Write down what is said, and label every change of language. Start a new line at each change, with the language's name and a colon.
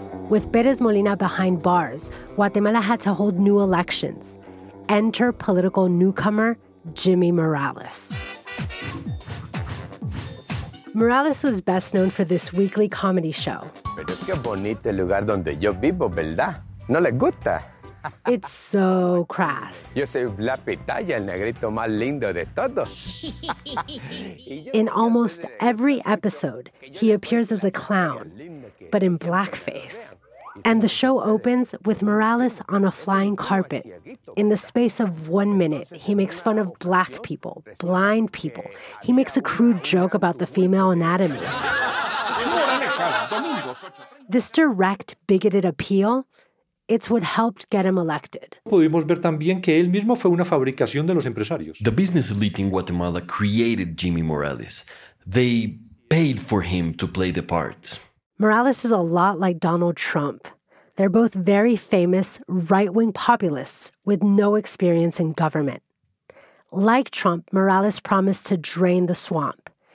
English: With Pérez Molina behind bars, Guatemala had to hold new elections. Enter political newcomer Jimmy Morales. Morales was best known for this weekly comedy show.
Spanish: Pero qué bonito lugar donde yo vivo, ¿verdad? ¿No le gusta?
English: It's so crass.
Spanish: Yo soy la pitaya, el negrito más lindo de todos.
English: In almost every episode, he appears as a clown, but in blackface. And the show opens with Morales on a flying carpet. In the space of 1 minute, he makes fun of black people, blind people. He makes a crude joke about the female anatomy. This direct, bigoted appeal, it's what helped get him elected.
Spanish: Pudimos ver también que él mismo fue una fabricación de los empresarios.
English: The business elite in Guatemala created Jimmy Morales. They paid for him to play the part. Morales is a lot like Donald Trump. They're both very famous right-wing populists with no experience in government. Like Trump, Morales promised to drain the swamp.